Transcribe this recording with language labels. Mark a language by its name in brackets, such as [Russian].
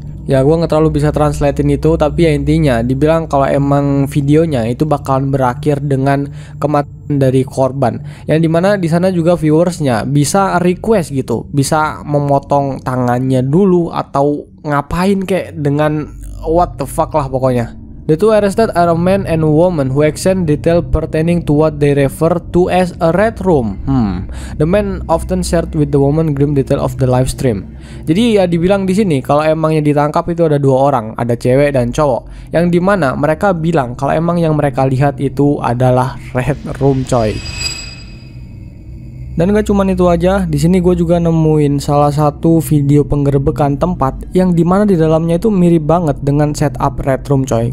[Indonesian] Ya, gue gak terlalu bisa translatein itu, tapi ya intinya dibilang kalau emang videonya itu bakalan berakhir dengan kematian dari korban, yang dimana di sana juga viewersnya bisa request gitu, bisa memotong tangannya dulu atau ngapain kayak dengan [English] what the fuck [Indonesian] lah pokoknya. [English] The two arrested are a man and a woman who exchange detail pertaining to what they refer to as a red room. The man often shared with the woman grim detail of the live stream. [Indonesian] Jadi ya dibilang di sini kalau emang yang ditangkap itu ada dua orang, ada cewek dan cowok, yang dimana mereka bilang kalau emang yang mereka lihat itu adalah red room, coy. Dan gak cuman itu aja, di sini gue juga nemuin salah satu video penggerebekan tempat yang dimana di dalamnya itu mirip banget dengan setup Red Room, coy.